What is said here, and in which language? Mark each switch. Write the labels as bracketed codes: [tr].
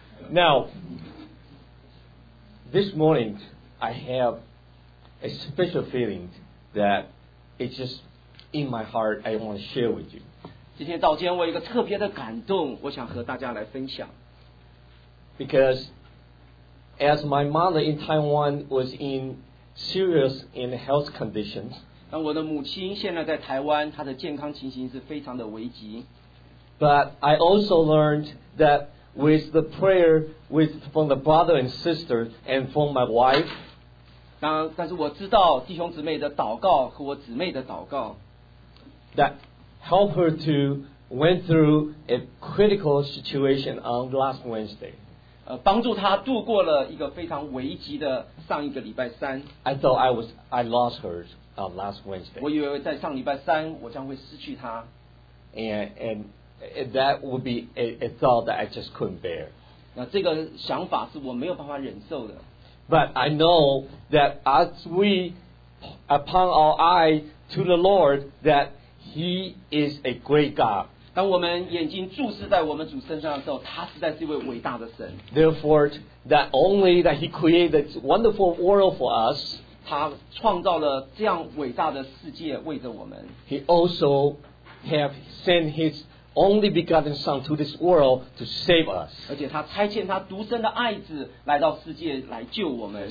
[en] Now, this morning, I have a special feeling that it's just in my heart I want to share with you. [zh] 今天早间我有一个特别的感动，我想和大家来分享。 [en] Because as my mother in Taiwan was in serious in health conditions, [zh] 我的母亲现在在台湾，她的健康情形是非常的危急。 [en] But I also learned that with the prayer with from the brother and sister and from my wife. [zh] 但是我知道弟兄姊妹的祷告和我姊妹的祷告 [en] that helped her to went through a critical situation on last Wednesday. [zh] 帮助她度过了一个非常危急的上一个礼拜三。 [en] I thought I lost her. Last Wednesday. [zh] 我以为在上礼拜三我将会失去他。 [en] And that would be a thought that I just couldn't bear. [zh] 那这个想法是我没有办法忍受的。 [en] But I know that as we upon our eye to the Lord, that He is a great God. [zh] 当我们眼睛注视在我们主身上的时候，他实在是一位伟大的神。 [en] Therefore, that only that He created this wonderful world for us. [zh] 他创造了这样伟大的世界，为着我们。 [en] He also have sent His only begotten Son to this world to save us. [zh] 而且他差遣他独生的爱子来到世界来救我们。